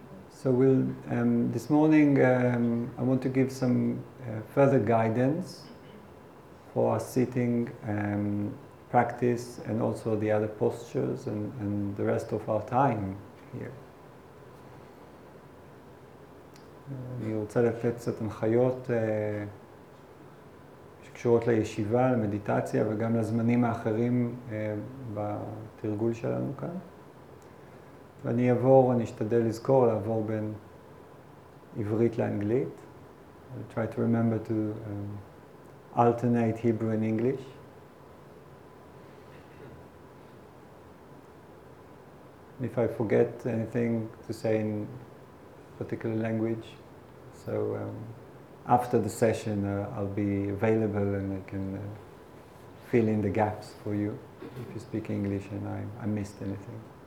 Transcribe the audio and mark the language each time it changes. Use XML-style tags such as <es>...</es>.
<en>So we'll, this morning I want to give some further guidance for our sitting practice and also the other postures and the rest of our time here.</en> <he>אני רוצה לתת קצת הנחיות שקשורות לישיבה, למדיטציה וגם לזמנים האחרים בתרגול שלנו כאן. ואני אעבור, אני אשתדל לזכור, לעבור בין עברית לאנגלית.</he> <en>I'll try to remember to alternate Hebrew and English. And if I forget anything to say in particular language, so after the session I'll be available and I can fill in the gaps for you if you speak English and I missed anything.</en>